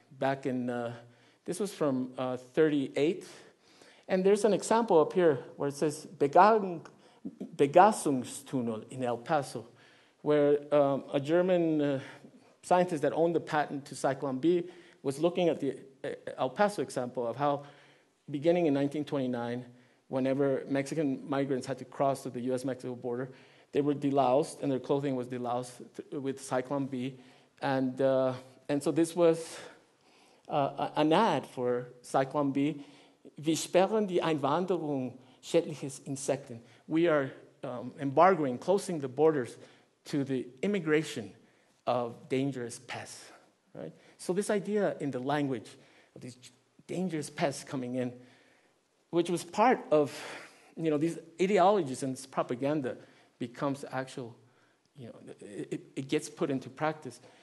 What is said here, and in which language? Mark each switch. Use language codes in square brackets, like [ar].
[en] Back in, this was from 38, and there's an example up here where it says Begassungstunnel in El Paso, where a German scientist that owned the patent to Cyclone B was looking at the El Paso example of how, beginning in 1929, whenever Mexican migrants had to cross to the U.S.-Mexico border, they were deloused, and their clothing was deloused with Cyclone B. And so this was an ad for Cyclone B. [de] Wir sperren die Einwanderung schädliches Insekten. [en] We are embargoing, closing the borders to the immigration of dangerous pests. Right? So this idea in the language of these dangerous pests coming in, which was part of, you know, these ideologies and this propaganda becomes actual, you know, it gets put into practice.